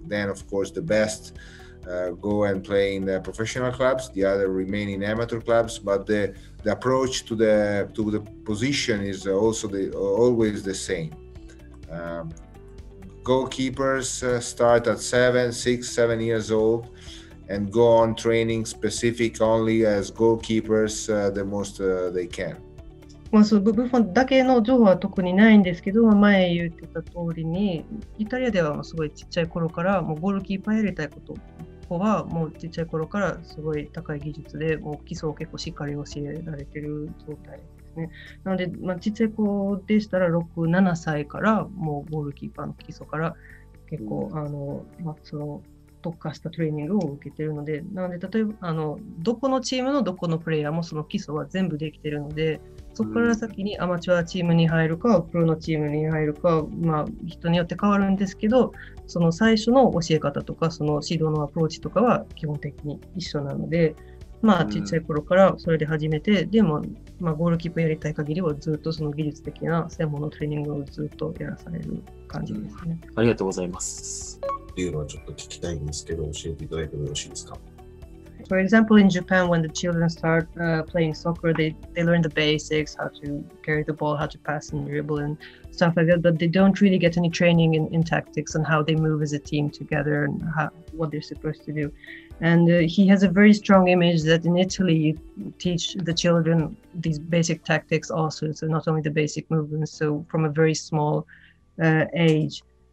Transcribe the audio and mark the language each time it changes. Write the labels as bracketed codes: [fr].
[en] Then, of course, the best go and play in the professional clubs, the other remain in amateur clubs, but the approach to the position is also always the same. Goalkeepers start at 7 years old and go on training specific only as goalkeepers the most they can. [ja] まあ、そう、部分だけの情報は特にないんですけど、前言ってた通りにイタリアではすごいちっちゃい頃からもうゴールキーパーやりたいこと子はもうちっちゃい頃からすごい高い技術でもう基礎を結構しっかり教えられてる状態ですね。なので、まあ、ちっちゃい子でしたら6、7歳からもうゴールキーパーの基礎から結構まあ、その特化したトレーニングを受けてるので、なので例えばどこのチームのどこのプレイヤーもその基礎は全部できてるので、そこから先にアマチュアチームに入るかプロのチームに入るか、まあ、人によって変わるんですけど、その最初の教え方とかその指導のアプローチとかは基本的に一緒なので、まあ、小さい頃からそれで始めて、でも、まあ、ゴールキーパーやりたい限りはずっとその技術的な専門のトレーニングをずっとやらされる感じですね。ありがとうございます。っていうのはちょっと聞きたいんですけど、教えていただいてもよろしいですか？ [en] For example, in Japan, when the children start playing soccer, they learn the basics, how to carry the ball, how to pass and dribble and stuff like that. But they don't really get any training in tactics and how they move as a team together and what they're supposed to do. And he has a very strong image that in Italy, you teach the children these basic tactics also, so not only the basic movements, so from a very small age.